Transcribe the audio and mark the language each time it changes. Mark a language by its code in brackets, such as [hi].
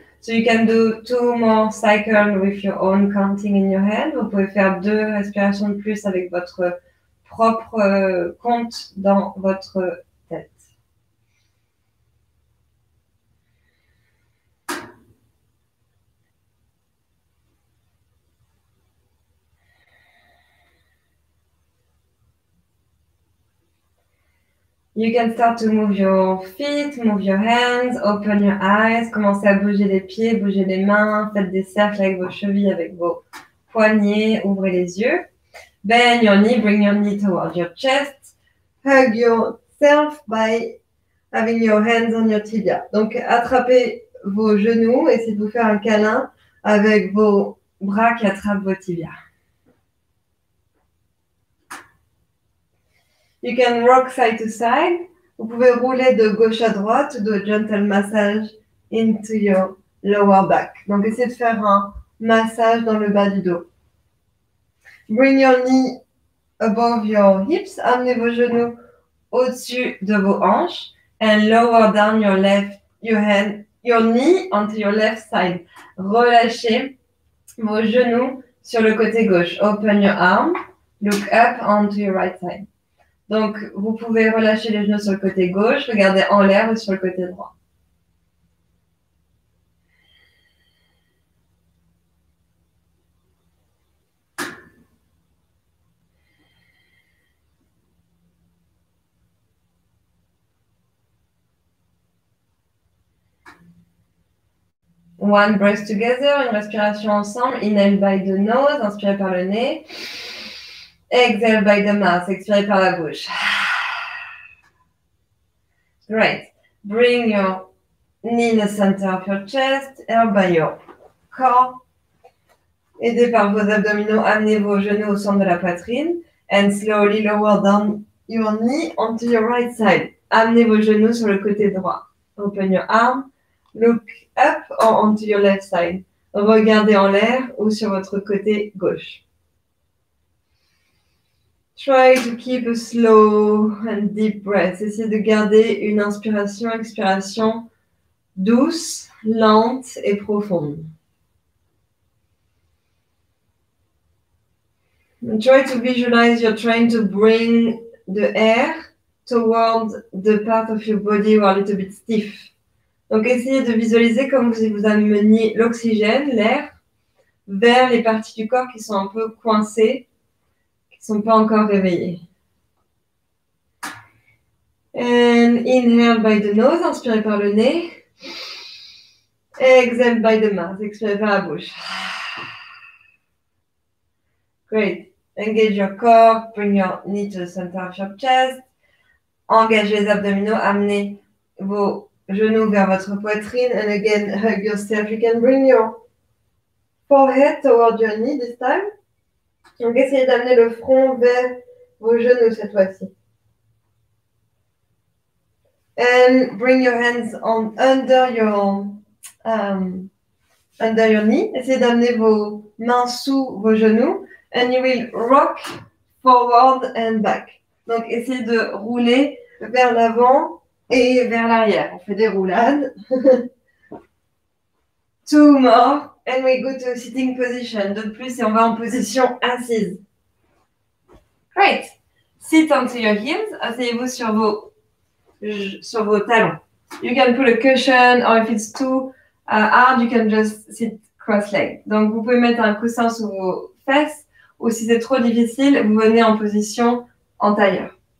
[en] So you can do two more cycles with your own counting in your head. [fr] Vous pouvez faire deux respirations de plus avec votre propre compte dans votre tête. [en] You can start to move your feet, move your hands, open your eyes, [fr] commencez à bouger les pieds, bouger les mains, faites des cercles avec vos chevilles, avec vos poignets, ouvrez les yeux. [en] Bend your knee, bring your knee towards your chest, hug yourself by having your hands on your tibia. [fr] Donc, attrapez vos genoux, essayez de vous faire un câlin avec vos bras qui attrapent vos tibias. [en] You can rock side to side. [fr] Vous pouvez rouler de gauche à droite, [en] do a gentle massage into your lower back. [fr] Donc, essayez de faire un massage dans le bas du dos. [en] Bring your knee above your hips. [fr] Amenez vos genoux au-dessus de vos hanches [en] and lower down your knee onto your left side. [fr] Relâchez vos genoux sur le côté gauche. [en] Open your arm, look up onto your right side. [fr] Donc, vous pouvez relâcher les genoux sur le côté gauche, regarder en l'air ou sur le côté droit. [en] One breath together, [fr] une respiration ensemble. [en] Inhale by the nose, [fr] inspirez par le nez. [en] Exhale by the mouth, [fr] expirez par la bouche. [en] Great. Bring your knee in the center of your chest, elbow your core. [fr] Aidez par vos abdominaux, amenez vos genoux au centre de la poitrine. [en] And slowly lower down your knee onto your right side. [fr] Amenez vos genoux sur le côté droit. [en] Open your arm. Look up or onto your left side. [fr] Regardez en l'air ou sur votre côté gauche. [en] Try to keep a slow and deep breath. [fr] Essayez de garder une inspiration, expiration douce, lente et profonde. [en] And try to visualize you're trying to bring the air toward the part of your body who are a little bit stiff. [fr] Donc, essayez de visualiser comme si vous ameniez l'oxygène, l'air, vers les parties du corps qui sont un peu coincées, qui ne sont pas encore réveillées. [en] And inhale by the nose, [fr] inspirez par le nez. [en] Exhale by the mouth, [fr] expirez par la bouche. [en] Great. Engage your core, bring your knee to the center of your chest. [fr] Engagez les abdominaux, amenez vos genoux vers votre poitrine. [en] And again, hug yourself. You can bring your forehead toward your knee this time. [fr] Donc, essayez d'amener le front vers vos genoux cette fois-ci. [en] And bring your hands on under your knee. [fr] Essayez d'amener vos mains sous vos genoux. [en] And you will rock forward and back. [fr] Donc, essayez de rouler vers l'avant et vers l'arrière. On fait des roulades. [en] Two more. And we go to sitting position. [fr] Deux de plus et on va en position assise. [en] Great. Sit onto your heels. [fr] Asseyez-vous sur vos talons. [en] You can put a cushion or if it's too hard, you can just sit cross-legged. [fr] Donc, vous pouvez mettre un coussin sur vos fesses. Ou si c'est trop difficile, vous venez en position en tailleur.